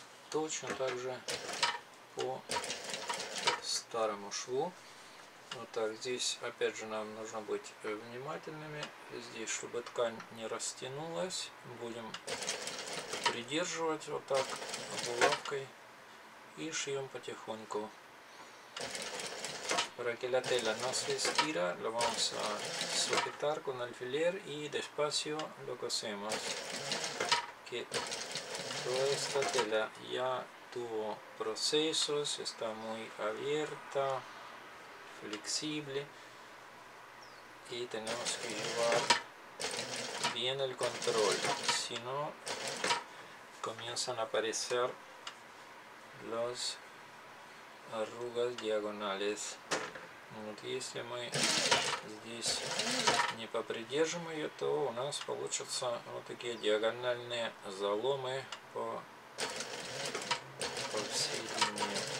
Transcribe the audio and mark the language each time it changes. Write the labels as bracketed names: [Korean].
[Russian] Точно так же по старому шву. Вот так, здесь опять же нам нужно быть внимательными, здесь, чтобы ткань не растянулась, будем придерживать вот так булавкой и шьем потихоньку. [Spanish] Para que la tela no se estira, lo vamos a sujetar con alfiler y despacio lo cosemos. Que toda esta tela ya tuvo procesos, está muy abierta. Flexible y tenemos que llevar bien el control, si no comienzan a aparecer las arrugas diagonales. [Russian] Вот, если мы здесь не попридержим ее, то у нас получатся вот такие диагональные заломы по всей линии.